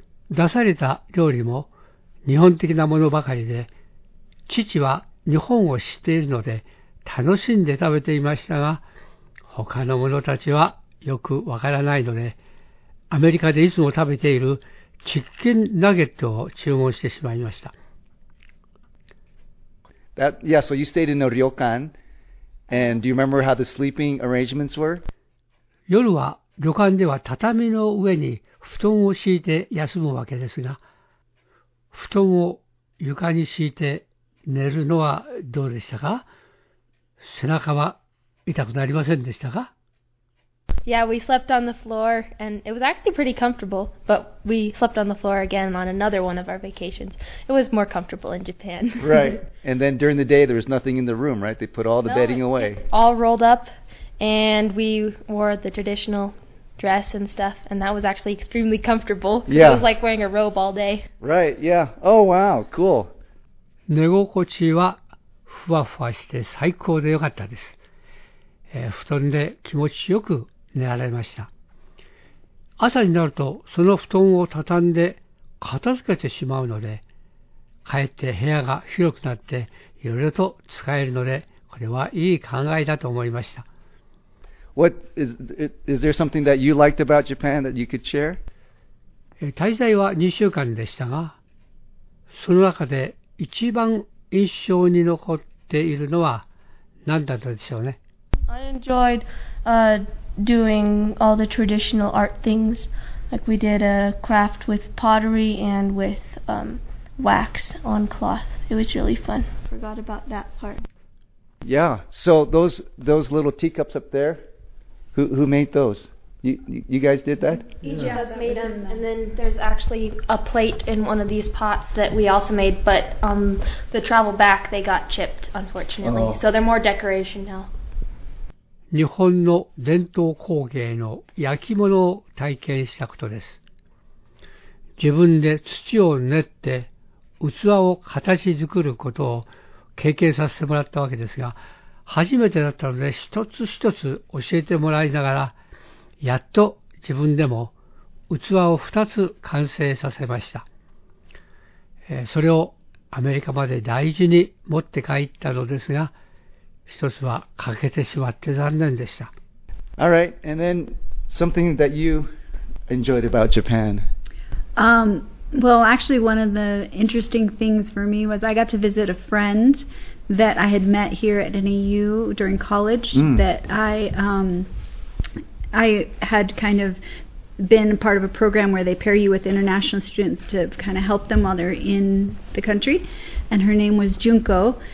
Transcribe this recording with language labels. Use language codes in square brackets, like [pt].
[ja] 出された料理も日本的なものばかりで、父は日本を知っているので楽しんで食べていましたが、他の者たちはよくわからないので、アメリカでいつも食べているチッキンナゲットを注文してしまいました。 [en] So you stayed in a ryokan, and do you remember how the sleeping arrangements were? [ja] 夜は旅館では畳の上に布団を敷いて休むわけですが、布団を床に敷いて寝るのはどうでしたか？背中は痛くなりませんでしたか？ [en] Yeah, we slept on the floor, and it was actually pretty comfortable, but we slept on the floor again on another one of our vacations. It was more comfortable in Japan. Right, and then during the day, there was nothing in the room, right? They put all the bedding away. It's all rolled up, and we wore the traditional dress and stuff, and that was actually extremely comfortable. Yeah. It was like wearing a robe all day. Right, yeah. Oh, wow, cool. [ja] 寝心地はふわふわして最高でよかったです。布団で気持ちよく寝られました。朝になるとその布団を畳んで片付けてしまうので、かえって部屋が広くなっていろいろと使えるので、これはいい考えだと思いました。 [en] What is there something that you liked about Japan that you could share? [ja] 滞在は2週間でしたが、その中で一番印象に残っているのは何だったでしょうね。 [en] I enjoyed doing all the traditional art things. Like we did a craft with pottery and with wax on cloth. It was really fun. Forgot about that part. Yeah. So those little teacups up there, who made those? You guys did that? Each of us made them. And then there's actually a plate in one of these pots that we also made, but the travel back, they got chipped, unfortunately. Oh. So they're more decoration now. [ja] 日本の伝統工芸の焼き物を体験したことです。自分で土を練って器を形作ることを経験させてもらったわけですが、初めてだったので一つ一つ教えてもらいながら、やっと自分でも器を二つ完成させました。それをアメリカまで大事に持って帰ったのですが、一つは欠けてしまって残念でした。 [en] All right, and then something that you enjoyed about Japan. Well, actually, one of the interesting things for me was I got to visit a friend that I had met here at NAU during college that I had kind of been part of a program where they pair you with international students to kind of help them while they're in the country, and her name was Junko.